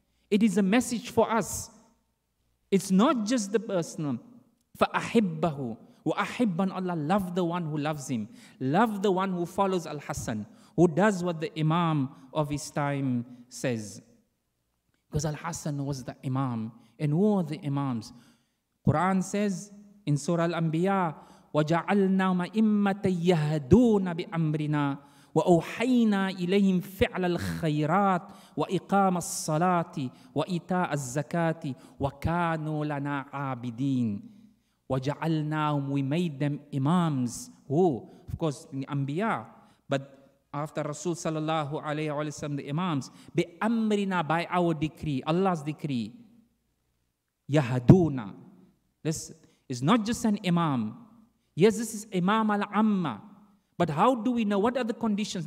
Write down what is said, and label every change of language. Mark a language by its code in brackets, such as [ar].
[en] It is a message for us. It's not just the personal. [ar] فَأَحِبَّهُ وَأَحِبَّنْ [en] Allah, love the one who loves him. Love the one who follows Al-Hasan, who does what the Imam of his time says. Because Al-Hasan was the Imam. And who are the Imams? Quran says in Surah Al-Anbiya, [ar] وَجَعَلْنَا مَئِمَّةً يَهَدُونَ بِأَمْرِنَا وَأُوحَيْنَا إِلَيْهِمْ فِعْلَ الْخَيْرَاتِ وَإِقَامَ الصَّلَاةِ وَإِتَاءَ الزَّكَاةِ وَكَانُوا لَنَا عَابِدِينَ وَجَعَلْنَا, [en] we made them imams. Who? Of course, the Anbiya. But after Rasul sallallahu alayhi wa sallam, the imams, [ar] بِأَمْرِنَا, [en] by our decree, Allah's decree, [ar] يَهَدُونَ. [en] Listen, it's not just an imam. Yes, this is imam al-amma. But how do we know? What are the conditions?